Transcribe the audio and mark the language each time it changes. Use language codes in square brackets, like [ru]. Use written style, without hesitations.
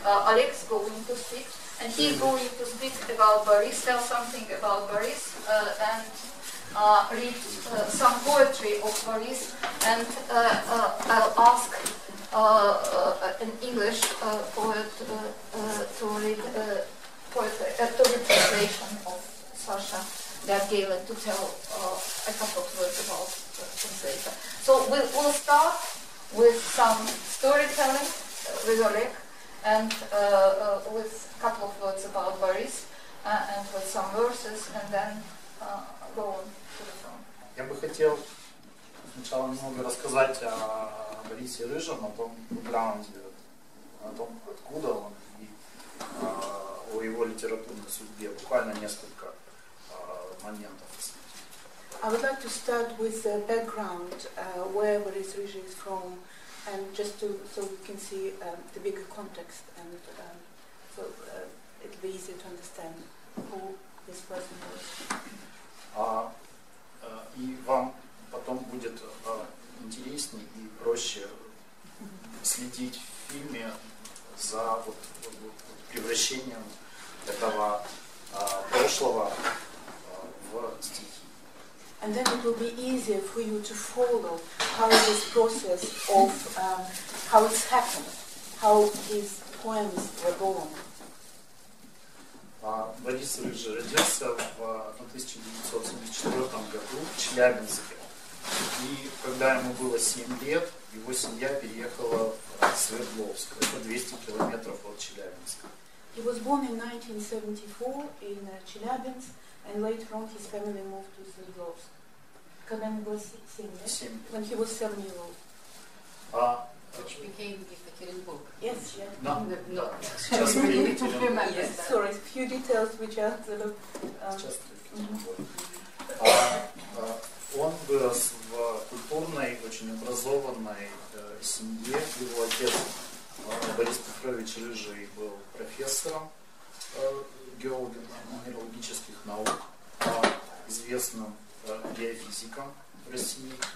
[en] Oleg is going to speak, and he's going to speak about Boris, tell something about Boris, and read some poetry of Boris, and I'll ask an English poet to read a translation of Sasha Gabgalen to tell a couple of words about the translator. So we'll start with some storytelling with Oleg, and with a couple of words about Boris, and with some verses, and then go on. [ru] Я бы хотел сначала немного рассказать о Борисе Рыжем, о том бэкграунде, о том, откуда он, и о его литературной судьбе. Буквально несколько моментов. [en] I would like to start with the background, where Boris Ryzhy is from, and just to, so we can see the bigger context, and so it'll be easier to understand who this person was. [ru] И вам потом будет интереснее и проще следить в фильме за вот превращением этого прошлого в стихи. [en] And then it will be easier for you to follow how this process of how it's happened, how his poems were born. [ru] Борис Ryzhy родился в 1974 году в Челябинске. И когда ему было 7 лет, его семья переехала в Свердловск. Это 200 километров от Челябинска. [en] He was born in 1974 in Челябинск, and later on his family moved to Свердловск. [ru] Когда ему было 7 лет? 7 лет. [en] When he was 7 years old. Which became Yekaterinburg. Yes, yeah. No. Not. Just to remember. Yes. Sorry, a few details which are sort of. Just to remember. [ru] Он вырос в культурной, очень образованной семье. Его отец Борис Петрович Ryzhy был профессором геологом минералогических наук, известным геофизиком в России.